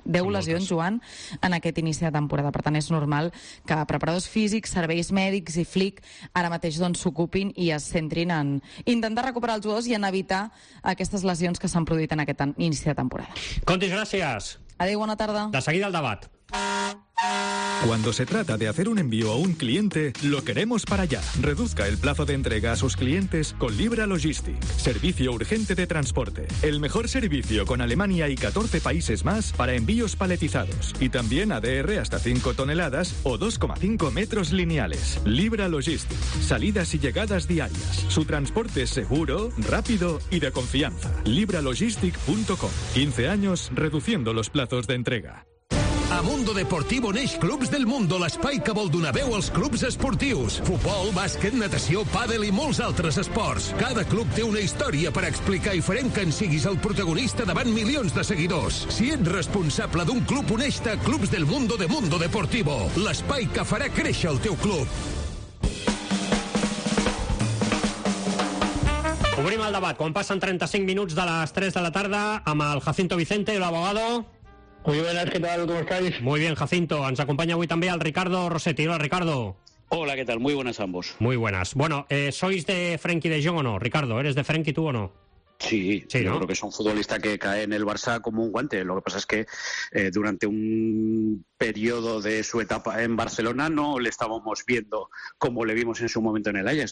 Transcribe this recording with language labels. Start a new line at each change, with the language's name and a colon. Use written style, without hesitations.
Catalan: 10 lesions, Joan, en aquest inici de temporada. Per tant, és normal que preparadors físics, serveis mèdics i Flick ara mateix s'ocupin i es centrin en intentar recuperar els jugadors i en evitar aquestes lesions que s'han produït en aquest inici de temporada. Condis, gràcies. Adéu, bona tarda. De seguida el debat.
Spanish: Cuando se trata de hacer un envío a un cliente, lo queremos para ya. Reduzca el plazo de entrega a sus clientes con Libra Logistics, servicio urgente de transporte. El mejor servicio con Alemania y 14 países más para envíos paletizados. Y también ADR hasta 5 toneladas o 2,5 metros lineales. Libra Logistics, salidas y llegadas diarias. Su transporte es seguro, rápido y de confianza. LibraLogistics.com. 15 años reduciendo los plazos de entrega.
Catalan: A Mundo Deportivo neix Clubs del Mundo, l'espai que vol donar veu als clubs esportius. Futbol, bàsquet, natació, pàdel i molts altres esports. Cada club té una història per explicar i farem que en siguis el protagonista davant milions de seguidors. Si ets responsable d'un club, uneix-te a Clubs del Mundo de Mundo Deportivo, l'espai que farà créixer el teu club. Obrim el debat. Quan passen 35 minuts de les 3 de la tarda, amb el Jacinto Vicente, l'abogado...
Spanish: Muy buenas, ¿qué tal? ¿Cómo estáis? Muy bien, Jacinto. Nos acompaña hoy también al Ricardo Rossetti. Hola, Ricardo. Hola, ¿qué tal? Muy buenas a ambos. Muy buenas. Bueno, ¿sois de Frenkie de Jong o no, Ricardo? ¿Eres de Frenkie tú o no? Sí, sí, ¿no? Yo creo que es un futbolista que cae en el Barça como un guante. Lo que pasa es que durante un periodo de su etapa en Barcelona no le estábamos viendo como le vimos en su momento en el Ajax.